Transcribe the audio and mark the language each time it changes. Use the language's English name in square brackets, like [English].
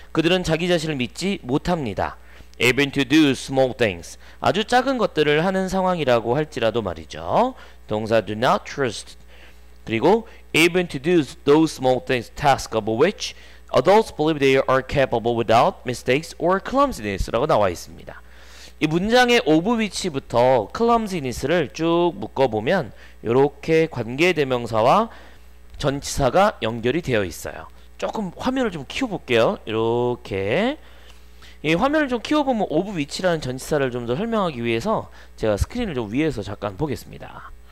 [Korean] 그들은 자기 자신을 믿지 못합니다. [English] Even to do small things. [Korean] 아주 작은 것들을 하는 상황이라고 할지라도 말이죠. 동사 [English] do not trust. [Korean] 그리고 [English] even to do those small things, tasks of which Adults believe they are capable without mistakes or clumsiness [Korean] 라고 나와 있습니다. 이 문장의 of which부터 clumsiness를 쭉 묶어보면 이렇게 관계대명사와 전치사가 연결이 되어 있어요. 조금 화면을 좀 키워볼게요. 이렇게 이 화면을 좀 키워보면 of which라는 전치사를 좀 더 설명하기 위해서 제가 스크린을 좀 위에서 잠깐 보겠습니다.